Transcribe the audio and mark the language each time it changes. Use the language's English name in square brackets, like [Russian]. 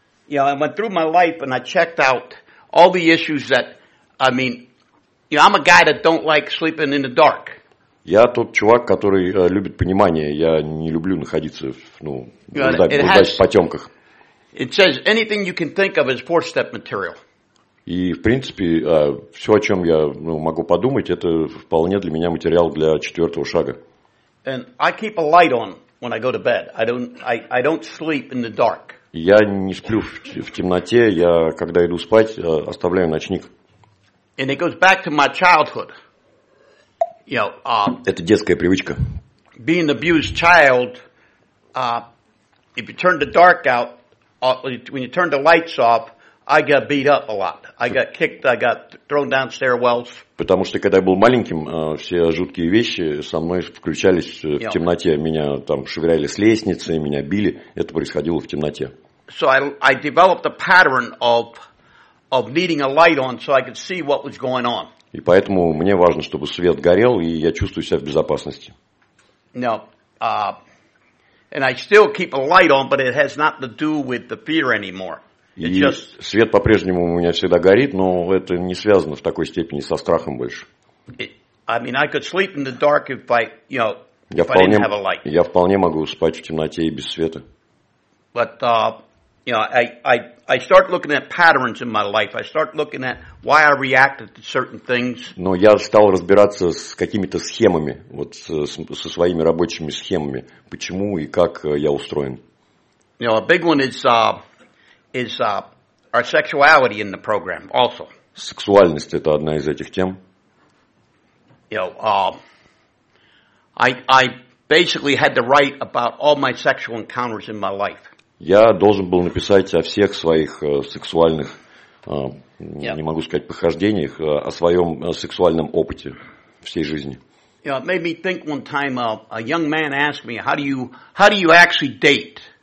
[English] I went through my life and I checked out all the issues that, I mean, I'm a guy that don't like sleeping in the dark. [Russian] Я тот чувак, который любит понимание. Я не люблю находиться в потемках. [English] It says anything you can think of is four-step material. [Russian] И, в принципе, все, о чем я могу подумать, это вполне для меня материал для четвертого шага. [English] And I keep a light on when I go to bed. I don't sleep in the dark. [Russian] Я не сплю в темноте. Я, когда иду спать, оставляю ночник. [English] And it goes back to my childhood. [Russian] Это детская привычка. [English] Being an abused child, if you turn the dark out, when you turn the lights off, I got beat up a lot. I got kicked, I got thrown down stairwells. [Russian] Потому что когда я был маленьким, все жуткие вещи со мной включались в темноте. Меня там швыряли с лестницы, меня били. Это происходило в темноте. [English] So I developed a pattern of needing a light on so I could see what was going on. [Russian] И поэтому мне важно, чтобы свет горел, и я чувствую себя в безопасности. [English] No. And I still keep a light on, but it has nothing to do with the fear anymore. [Russian] Свет по-прежнему у меня всегда горит, но это не связано в такой степени со страхом больше. [English] I mean, I could sleep in the dark if I, if I didn't have a light. [Russian] Я вполне могу спать в темноте и без света. [English] But, I start looking at patterns in my life. I start looking at why I reacted to certain things. [Russian] Но я стал разбираться с какими-то схемами, вот со своими рабочими схемами, почему и как я устроен. [English] A big one is our sexuality in the program also. [Russian] Сексуальность – это одна из этих тем. [English] I basically had to write about all my sexual encounters in my life. [Russian] Я должен был написать о всех своих сексуальных, не могу сказать, похождениях, о своем сексуальном опыте всей жизни. [English] It made me think one time a young man asked me, how do you actually date?